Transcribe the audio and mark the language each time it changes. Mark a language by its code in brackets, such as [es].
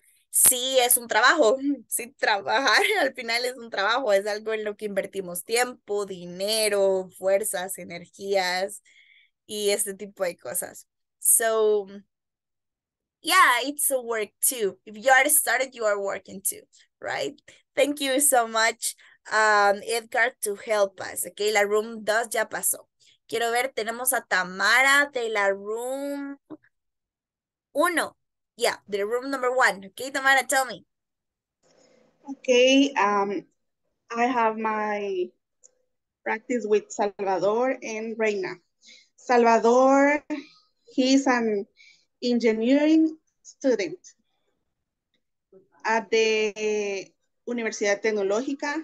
[es] sí, es un trabajo. Sí, trabajar al final es un trabajo. Es algo en lo que invertimos tiempo, dinero, fuerzas, energías y este tipo de cosas. [en] So, yeah, it's a work too. If you are started, you are working too, right? Thank you so much, Edgar, to help us. [es] Okay, la room 2 ya pasó. Quiero ver, tenemos a Tamara de la room 1. [en] Yeah, the room number 1. Okay, Tamara, tell me. Okay, I have my practice with Salvador and Reina. Salvador, he's an engineering student at the Universidad Tecnológica.